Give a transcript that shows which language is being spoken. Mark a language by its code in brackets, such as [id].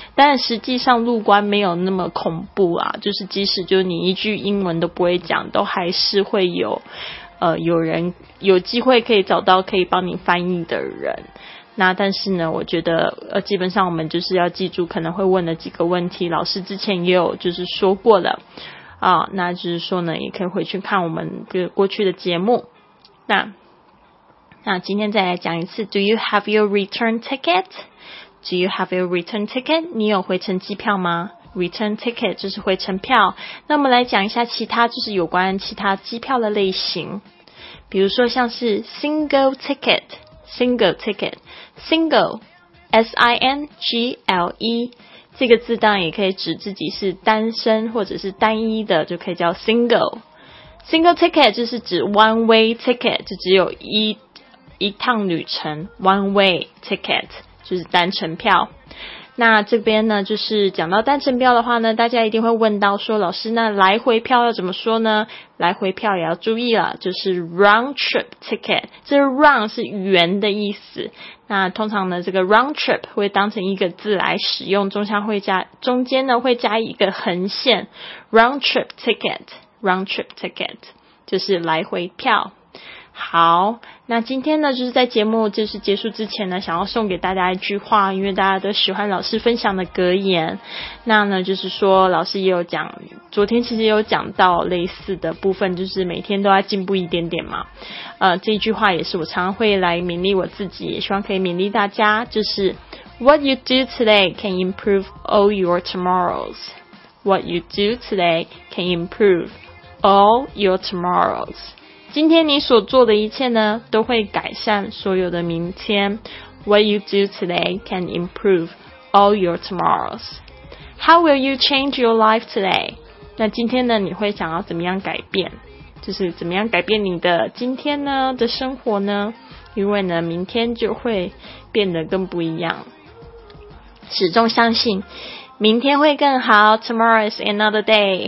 [zh] 但实际上入关没有那么恐怖啊，就是即使就你一句英文都不会讲，都还是会有有人有机会可以找到可以帮你翻译的人。那但是呢，我觉得基本上我们就是要记住可能会问的几个问题，老师之前也有就是说过了啊，那就是说呢，也可以回去看我们过去的节目。那今天再来讲一次 ， Do you have your return ticket? [en] Do you have your return ticket? [zh] 你有回程机票吗？ Return ticket 就是回程票。那我们来讲一下其他，就是有关其他机票的类型，比如说像是 single ticket， single ticket， single， S I N G L E， 这个字当然也可以指自己是单身或者是单一的，就可以叫 single。 single ticket 就是指 one way ticket， 就只有一趟旅程 ，one way ticket 就是单程票。那这边呢，就是讲到单程票的话呢，大家一定会问到说，老师，那来回票要怎么说呢？来回票也要注意了，就是 round trip ticket， 这 round 是圆的意思。那通常呢，这个 round trip 会当成一个字来使用，中间呢会加一个横线， round trip ticket， round trip ticket 就是来回票。好，那今天呢，就是在节目就是结束之前呢，想要送给大家一句话，因为大家都喜欢老师分享的格言。那呢，就是说老师也有讲，昨天其实也有讲到类似的部分，就是每天都要进步一点点嘛。这句话也是我常常会来勉励我自己，也希望可以勉励大家，就是 What you do today can improve all your tomorrows. [en] What you do today can improve all your tomorrows. [zh] 今天你所做的一切呢，都会改善所有的明天。 [en] What you do today can improve all your tomorrows. How will you change your life today? [zh] 那今天呢，你会想要怎么样改变？就是怎么样改变你的今天呢，的生活呢？因为呢，明天就会变得更不一样。始终相信明天会更好， Tomorrow is another day.